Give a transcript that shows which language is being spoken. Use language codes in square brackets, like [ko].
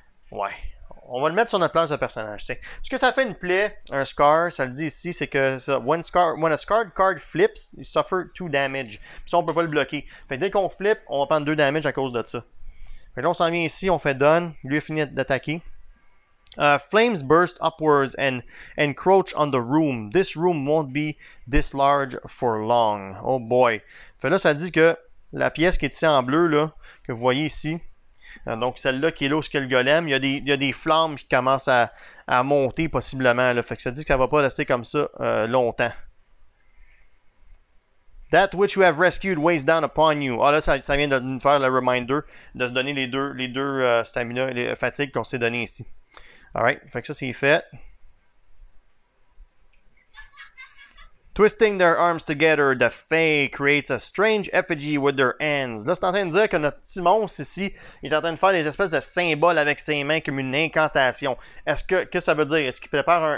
[fr] Ouais. On va le mettre sur notre planche de personnage. T'sais. Ce que ça fait une plaie, un scar, ça le dit ici, c'est que ça, [en] when a scarred card flips, you suffer 2 damage. [fr] Puis ça, on peut pas le bloquer. Fait que dès qu'on flip, on va prendre 2 damage à cause de ça. Fait que là, on s'en vient ici, on fait done. Lui a fini d'attaquer. [en] Flames burst upwards and encroach on the room. This room won't be this large for long. Oh boy. [fr] Fait là, ça dit que la pièce qui est ici en bleu, là, que vous voyez ici, donc celle-là qui est là où c'est le golem, il y a des flammes qui commencent à monter possiblement. Là. Fait que ça dit que ça va pas rester comme ça longtemps. [en] That which you have rescued weighs down upon you. [fr] Ah là, ça vient de nous faire le reminder de se donner les deux stamina, les fatigues qu'on s'est donné ici. Alright, fait que ça c'est fait. [en] Twisting their arms together, the fae creates a strange effigy with their hands. [fr] Là, c'est en train de dire que notre petit monstre ici, il est en train de faire des espèces de symboles avec ses mains comme une incantation. Qu'est-ce que ça veut dire? Est-ce qu'il prépare un...